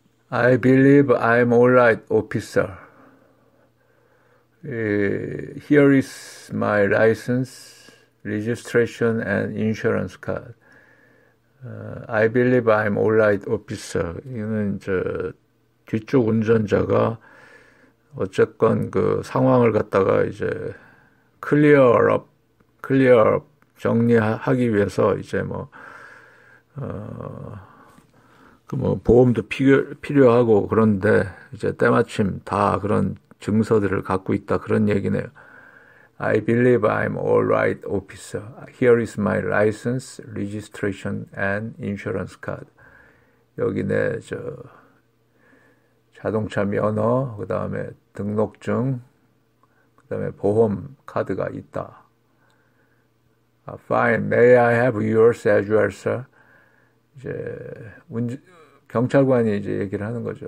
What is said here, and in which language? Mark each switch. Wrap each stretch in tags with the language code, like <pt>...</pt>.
<en>I believe I'm all right, officer. Here is my license, registration, and insurance card. I believe I'm all right, officer.</en> <ko>이는 저 뒤쪽 운전자가 어쨌건 그 상황을 갖다가 이제 클리어업 정리하기 위해서 이제 뭐, 그뭐 보험도 필요하고 그런데 이제 때마침 다 그런 증서들을 갖고 있다 그런 얘기네요.</ko> <en>I believe I'm all right, officer. Here is my license, registration, and insurance card.</en> <ko>여기 내저 자동차 면허, 그 다음에 등록증, 그 다음에 보험 카드가 있다.</ko> <en>Fine. May I have yours as well, sir?</en> <ko>이제 경찰관이 이제 얘기를 하는 거죠.</ko>